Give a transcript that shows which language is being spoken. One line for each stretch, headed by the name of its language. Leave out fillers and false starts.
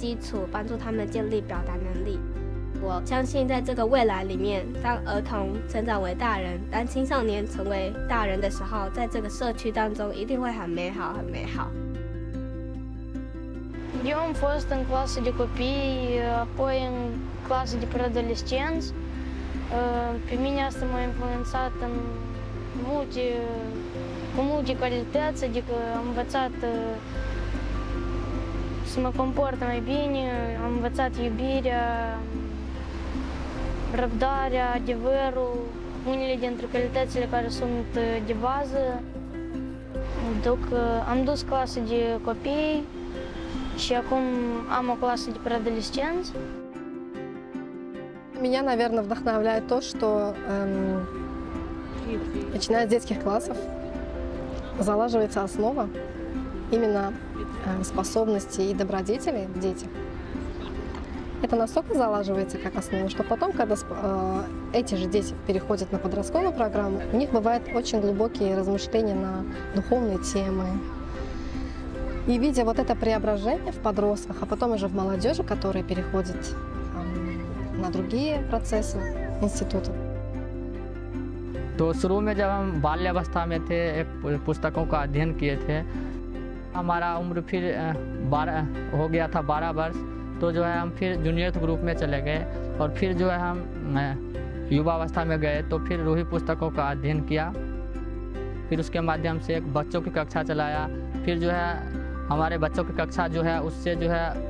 Chinese: 所以就是服务的时候会帮助我更了解巴哈欧拉的天启所带给我们的目标在这青年的这个时期我们有能力去服务青少年去服务儿童帮助他们建立美德的基础帮助他们建立表达能力 我相信在这个未来里面，当儿童成长为大人，当青少年成为大人的时候，在这个社区当中一定会很美好，很美好。
Romanian: Eu am fost în clasă de copii, apoi în clasă de preadolescenți. Pe mine asta m-a influențat în multe, cu multe calități, adică am învățat să mă comport mai bine, am învățat iubirea, răbdarea, adevărul, unele dintre calitățile care sunt de bază. Am dus clasă de copii și acum am o clasă de preadolescenți.
Russian: Меня, наверное, вдохновляет то, что начиная с детских классов залаживается основа именно способностей и добродетелей в детях. Это настолько залаживается как основа, что потом, когда эти же дети переходят на подростковую программу, у них бывают очень глубокие размышления на духовные темы. И видя вот это преображение в подростках, а потом уже в молодежи, которая переходит на другие процессы института.
Hindi: तो शुरू में जब हम बाल्यावस्था में थे एक पुस्तकों का अध्ययन किए थे हमारा उम्र फिर 12 हो गया था 12 वर्ष तो जो है हम फिर जूनियर ग्रुप में चले गए और फिर जो है हम युवावस्था में गए तो फिर रूही पुस्तकों का अध्ययन किया फिर उसके माध्यम से एक बच्चों की कक्षा चलाया फिर जो है हमारे बच्चों की कक्षा जो है उससे जो है